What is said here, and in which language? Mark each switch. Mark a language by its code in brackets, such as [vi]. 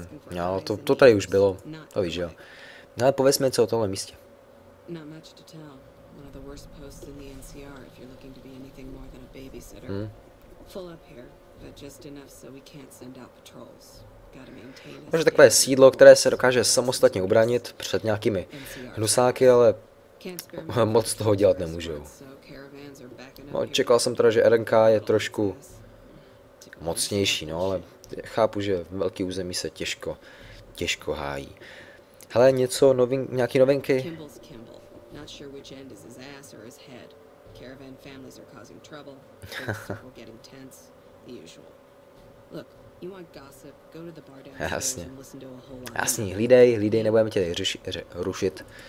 [cs] No, to tady už bylo, to víš, jo. No ale povězme něco o tomhle místě. [en] Not much to tell. One of the worst posts in the NCR if you're looking to be anything more than a babysitter. Full up here, but just enough so we can't send out patrols. Gotta maintain. [cs] Takže takové sídlo, které se dokáže samostatně ubránit před nějakými hnusáky, ale moc toho dělat nemůžou. No, čekal jsem teda, že RNK je trošku mocnější, no, ale chápu, že velký území se těžko hájí. Hele, něco nějaký novinky? [en] Not sure which end is his ass or his head. Caravan families are causing trouble. Things are getting tense. The usual. Look, you want gossip? Go to the bar downstairs and listen to a whole lot. [cs] Jasně, hlídej, nebudeme tě rušit.